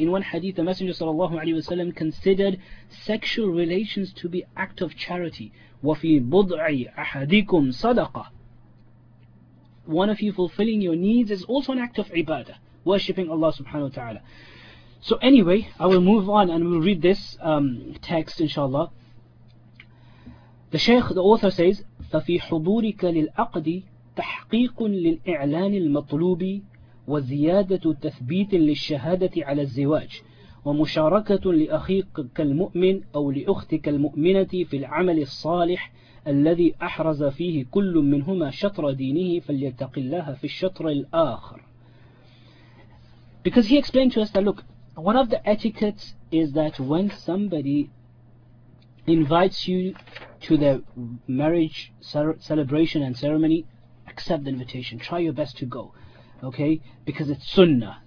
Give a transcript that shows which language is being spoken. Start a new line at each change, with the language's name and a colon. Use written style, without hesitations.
English: In one hadith, the Messenger sallallahu alayhi wa sallam considered sexual relations to be act of charity.
Arabic: وَفِي بُضْعِ أَحَدِكُمْ صَدَقَةً.
English: One of you fulfilling your needs is also an act of ibadah, worshipping Allah subhanahu wa ta'ala. So anyway, I will move on and we'll read this text inshallah. The Shaykh, the author says,
Arabic: فَفِي حُضُورِكَ لِلْأَقْدِ تَحْقِيقٌ لِلْإِعْلَانِ الْمَطْلُوبِ وَزِيَادَةُ تَثْبِيتٍ لِلشَّهَادَةِ عَلَى الزِّوَاجِ وَمُشَارَكَةٌ لِأَخِيكَ الْمُؤْمِنِ أَوْ لِأُخْتِكَ الْمُؤْمِنَةِ فِي الْعَمَلِ الصَّالِحِ الذي أحرز فيه كل منهما شطر دينه فليتق الله في الشطر الآخر.
English: Because he explained to us that look, one of the etiquettes is that when somebody invites you to the marriage celebration and ceremony, accept the invitation, try your best to go, okay? Because it's sunnah.